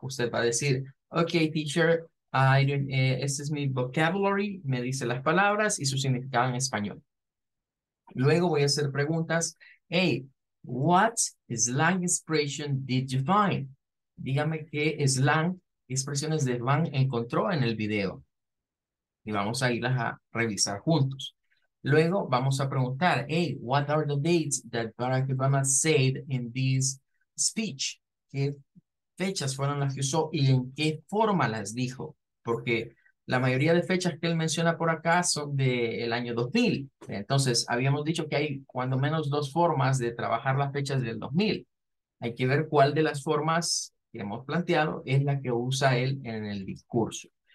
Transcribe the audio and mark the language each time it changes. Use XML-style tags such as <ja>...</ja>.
<es>Usted va a decir, okay, teacher, este es mi vocabulary, me dice las palabras y su significado en español.</es> <en>Luego voy a hacer preguntas. Hey, what slang expression did you find?</en> <es>Dígame qué slang, expresiones de slang encontró en el video. Y vamos a irlas a revisar juntos.</es> <en>Luego vamos a preguntar, hey, what are the dates that Barack Obama said in this speech?</en> <es>¿Qué fechas fueron las que usó y en qué forma las dijo? Porque la mayoría de fechas que él menciona por acá son del año 2000. Entonces, habíamos dicho que hay cuando menos dos formas de trabajar las fechas del 2000. Hay que ver cuál de las formas que hemos planteado es la que usa él en el discurso.</es>